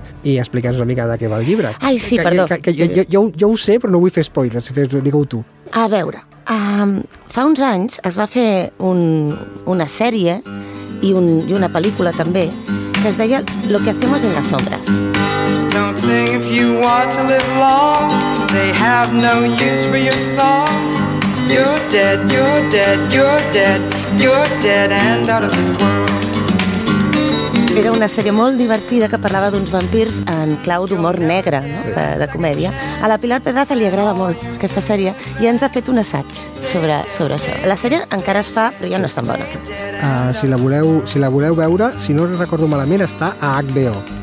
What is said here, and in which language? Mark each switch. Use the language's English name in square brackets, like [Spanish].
[Catalan] I explica'ns una mica de què va el llibre. Ai, sí, perdó. Jo ho sé, però no vull fer spoilers, si fes, digue-ho tu. A veure, fa uns anys es va fer una sèrie i una pel·lícula també que es deia Lo que hacemos en las sombras. [English] Don't sing if you want to live long. They have no use for your song. You're dead, you're dead, you're dead. You're dead and out of this world. [Catalan] Era una sèrie molt divertida que parlava d'uns vampirs en clau d'humor negre, no? de comèdia. A la Pilar Pedraza li agrada molt aquesta sèrie i ens ha fet un assaig sobre això. La sèrie encara es fa, però ja no és tan bona. Si la voleu veure, si no recordo malament, està a HBO.